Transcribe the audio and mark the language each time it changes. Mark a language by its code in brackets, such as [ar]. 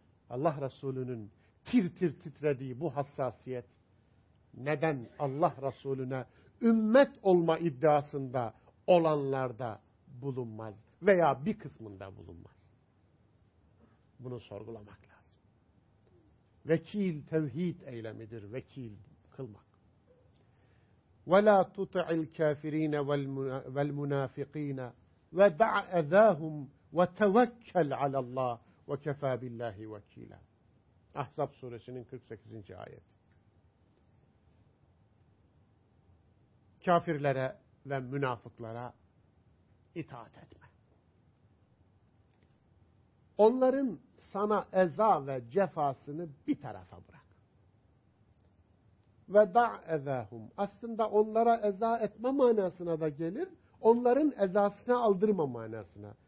[tr] Allah Resulü'nün tir tir titrediği bu hassasiyet neden Allah Resulü'ne ümmet olma iddiasında olanlarda bulunmaz veya bir kısmında bulunmaz? Bunu sorgulamak lazım. Vekil tevhid eylemidir, vekil kılmak. [ar] وَلَا تُطِعِ الْكَافِر۪ينَ وَالْمُنَافِق۪ينَ وَدَعْ اَذَاهُمْ وَتَوَكَّلْ عَلَى اللّٰهِ وَكَفَى بِاللّٰهِ وَك۪يلًا [tr] Ahzab suresinin 48. ayeti. Kafirlere ve münafıklara itaat etme. Onların sana eza ve cefasını bir tarafa bırak. [ar] وَدَعْ اَذَاهُمْ [tr] Aslında onlara eza etme manasına da gelir, onların ezasına aldırma manasına.